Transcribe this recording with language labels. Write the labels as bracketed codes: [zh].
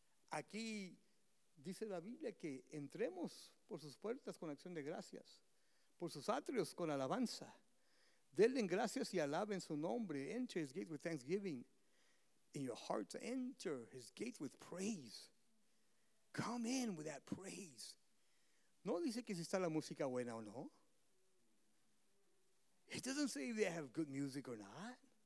[es] Aquí dice la Biblia que entremos por sus puertas con acción de gracias, por sus atrios con alabanza. Denle gracias y alaben su nombre. [en] Enter his gates with thanksgiving. In your hearts, enter his gates with praise. Come in with that praise. [es] No dice que si está la música buena o no. [en] It doesn't say they have good music or not.